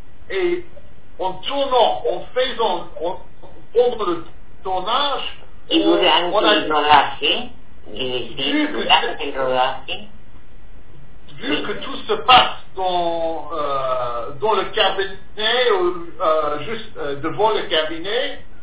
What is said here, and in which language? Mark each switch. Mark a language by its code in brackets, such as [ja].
[fr] Et en tournant, en faisant, pendant le tournage, et [es] durante el rodaje, durante el rodaje, [fr] vu que tout se passe dans le cabinet ou juste devant le cabinet,